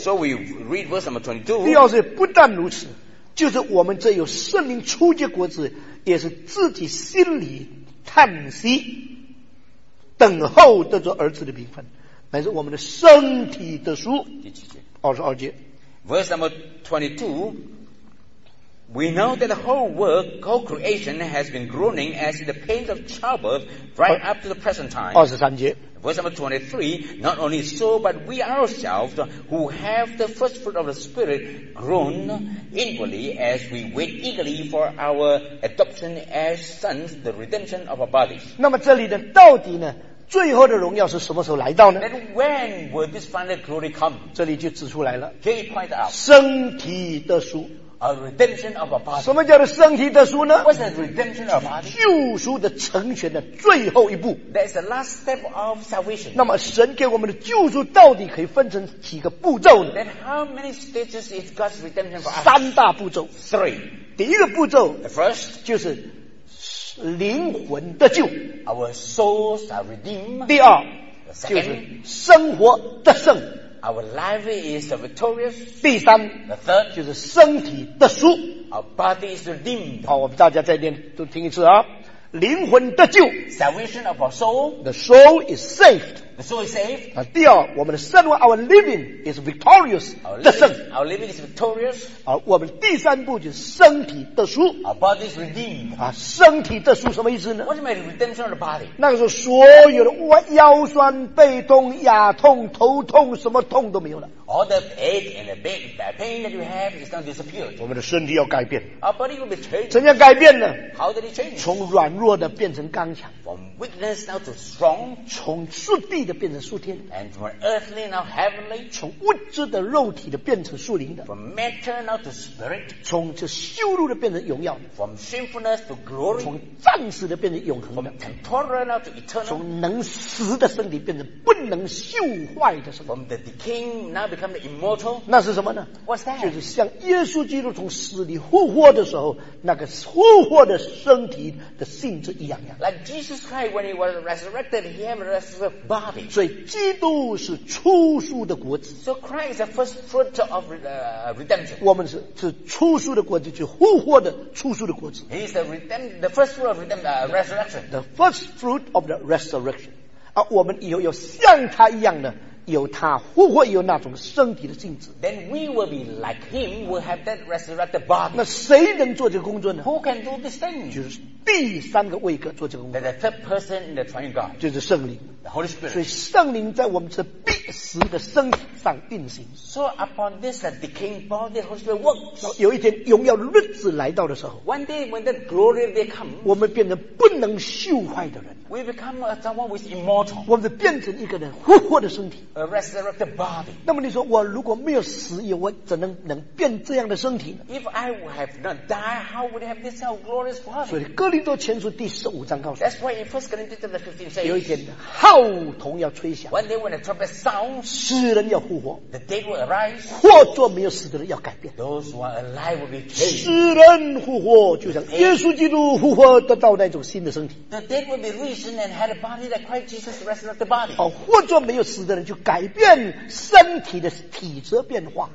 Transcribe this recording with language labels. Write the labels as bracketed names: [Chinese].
[English] So we read verse number 22. [Chinese] 第二节不但如此，就是我们这有圣灵初结果子，也是自己心里叹息，等候得着儿子的名分，乃是我们的身体的书。第七节，二十二节。 [English] Verse number 22. We know that the whole world, co-creation, has been groaning as in the pains of childbirth right up to the present time. [Chinese] 二十三节。 [English] Verse number 23, not only so, but we ourselves, who have the first fruit of the Spirit, groan inwardly as we wait eagerly for our adoption as sons, the redemption of our bodies. [Chinese] 那么这里的到底呢最后的荣耀是什么时候来到呢 [English] ？Then when will this final glory come? [Chinese] 这里就指出来了。 [English] Can you point out? [Chinese] 身体的书。 [English] A redemption of a body. [Chinese] 什么叫做身体的书呢 [English] ？What's the redemption of a body? [Chinese] 救赎的成全的最后一步。 [English] That's the last step of salvation. [Chinese] 那么神给我们的救赎到底可以分成几个步骤呢 [English] ？Then how many stages is God's redemption for us? [Chinese] 三大步骤。 [English] Three. [Chinese] 第一个步骤。 [English] The first. [Chinese] 就是灵魂的救。 [English] Our souls are redeemed. [Chinese] 第二。就是生活的胜。 [English] Our life is victorious. [Chinese] 第三， [English] the third [Chinese] 就是身体的赎。 [English] Our body is redeemed. [Chinese] 好，我们大家再念，都听一次啊。灵魂得救 [English] ，salvation of our soul. The soul is saved. The soul is saved. [Chinese] 啊，第二，我们的生活 ， [English] our living is victorious. [Chinese] 得胜 [English] ，our living is victorious. [Chinese] 啊，我们第三步就是身体的赎。 [English] Our body is redeemed. [Chinese] 啊，身体的赎什么意思呢 [English] ？What is my redemption of the body? [Chinese] 那个时候，所有的腰酸背痛、牙痛、头痛，什么痛都没有了。 [English] All the ache and the big pain that you have is going to disappear. [Chinese] 我们的身体要改变。 [English] Our body will be changed. [Chinese] 怎样改变呢 [English] ？How did it change? [Chinese] 从软弱的变成刚强。 [English] From weakness now to strong. [Chinese] 从属地的变成属天。 [English] And from earthly now heavenly. [Chinese] 从物质的肉体的变成属灵的。 [English] From matter now to spirit. [Chinese] 从这羞辱的变成荣耀的。 [English] From sinfulness to glory. [Chinese] 从暂时的变成永恒的。 [English] From temporal now to eternal. [Chinese] 从能死的身体变成不能朽坏的身体。 [English] From the decaying now become the immortal. [Chinese] 那是什么呢？ [English] What's that? [Chinese] 就是像耶稣基督从死里复活的时候，那个复活的身体的性质一样样。 [English] Like Jesus Christ when he was resurrected, he had a resurrected body. [Chinese] 所以基督是初熟的果子。 [English] So Christ is the first fruit of redemption. [Chinese] 我们是初熟的果子，就复活的初熟的果子。 [English] He is the first fruit of resurrection. The first fruit of the resurrection. [Chinese] 而我们以后要像他一样的。有他复活有那种身体的性质。 [English] Then we will be like him, we'll have that resurrected body. [Chinese] 那谁能做这个工作呢？ [English] Who can do this thing? [Chinese] 就是第三个位格做这个工作。 [English] That the third person in the triune God. [Chinese] 就是圣灵。 [English] The Holy Spirit. [Chinese] 所以圣灵在我们这必死的身体上运行。 [English] So upon this decaying body, the Holy Spirit works. [Chinese] 有一天荣耀日子来到的时候。 [English] One day when that glory will come. [Chinese] 我们变成不能朽坏的人。 [English] We become someone who is immortal. [Chinese] 我们就变成一个人复活的身体。 [English] A resurrected body. [Chinese] 那么你说我如果没有死，我怎能变这样的身体呢？ [English] If I have not died, how would I have this glorious body? [Chinese] 所以哥林多前书第十五章告诉。 [English] That's why in 1 Corinthians 15 says. [Chinese] 有一天号筒要吹响。 [English] One day when the trumpet sounds. [Chinese] 死人要复活。 [English] The dead will arise. [Chinese] 或做没有死的人要改变。 [English] Those who are alive will be changed. [Chinese] 死人复活，就像耶稣基督复活得到那种新的身体。 [English] The dead will be raised. And had a body that Christ Jesus resurrected body. [Chinese] 或者没有死的人就改变身体的体质变化。